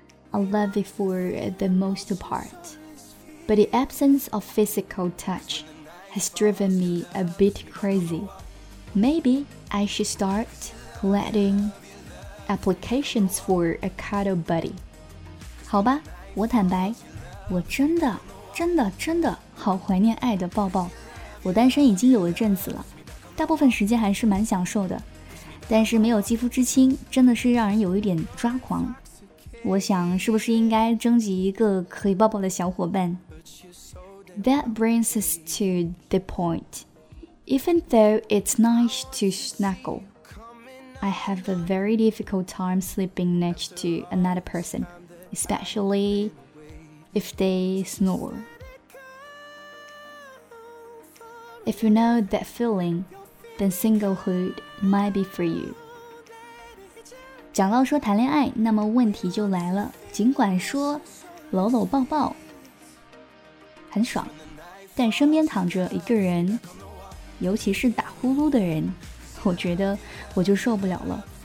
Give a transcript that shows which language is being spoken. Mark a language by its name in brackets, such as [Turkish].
[English] I love it for the most part, but the absence of physical touch has driven me a bit crazy. Maybe I should start letting applications for a cuddle buddy. [Chinese] 好吧，我坦白，我真的真的真的好怀念爱的抱抱。我单身已经有一阵子了，大部分时间还是蛮享受的，但是没有肌肤之亲，真的是让人有一点抓狂。我想是不是应该征集一个可以抱抱的小伙伴。 [English] That brings us to the point. Even though it's nice to snuggle, I have a very difficult time sleeping next to another person, especially if they snore. If you know that feeling, then singlehood might be for you. [Chinese] 讲到说谈恋爱，那么问题就来了。尽管说搂搂抱抱很爽，但身边躺着一个人，尤其是打呼噜的人，我觉得我就受不了了。